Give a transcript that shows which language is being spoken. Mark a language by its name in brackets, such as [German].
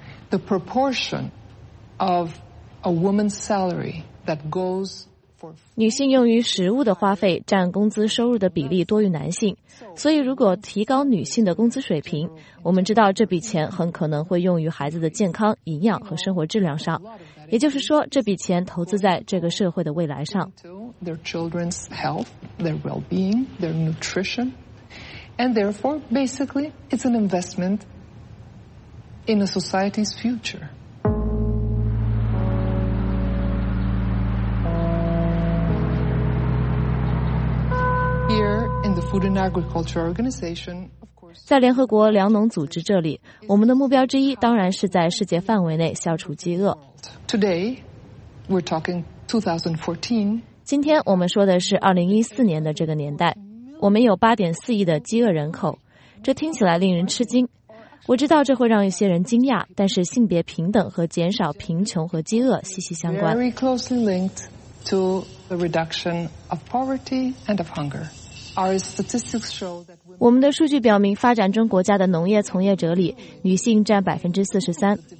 [English] The proportion of a woman's salary that goes for [Chinese] 女性用于食物的花费占工资收入的比例多于男性，所以如果提高女性的工资水平，我们知道这笔钱很可能会用于孩子的健康、营养和生活质量上，也就是说这笔钱投资在这个社会的未来上。 [English] Their children's health, their well-being, their nutrition. And therefore, basically, it's an investment in a society's future. Here in the Food and Agriculture Organization... [Chinese] 在联合国粮农组织这里，我们的目标之一当然是在世界范围内消除饥饿。 [English] Today, we're talking 2014. [Chinese] 今天我们说的是2014年的这个年代。我们有 8.4 亿的饥饿人口，这听起来令人吃惊。我知道这会让一些人惊讶，但是性别平等和减少贫穷和饥饿息息相关。 [English] Very closely linked to the reduction of poverty and of hunger. Our statistics show that [Chinese] 我们的数据表明，发展中国家的农业从业者里，女性占 43%。